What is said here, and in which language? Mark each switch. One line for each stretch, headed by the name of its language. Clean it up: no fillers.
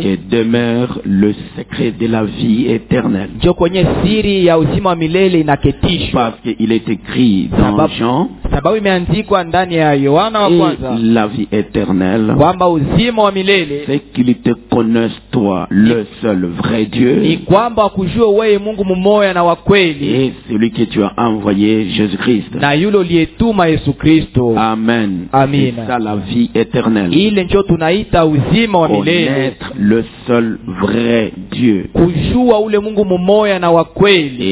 French: Que demeure le secret de la vie éternelle.
Swahili: Ndio kwenye siri ya uzima wa milele inaketishwa.
French: Parce qu'il est écrit dans Jean.
Swahili: Sababu imeandikwa ndani ya Yohana wa kwanza.
French: La vie éternelle.
Swahili: Kwamba uzima wa milele.
French: C'est qu'il te connaisse toi, le seul vrai Dieu.
Swahili: Ni kwamba kujua wewe Mungu mmoja na wa kweli.
French: Et celui que tu as envoyé, Jésus-Christ.
Swahili: Na yule uliyetuma Yesu Kristo.
French: Amen.
Swahili: Amina.
French: C'est ça la vie éternelle.
Swahili: Ile ndio tunaita uzima wa milele.
French: Connaître le seul vrai Dieu.
Swahili: Kujua ule Mungu mmoja na wa kweli.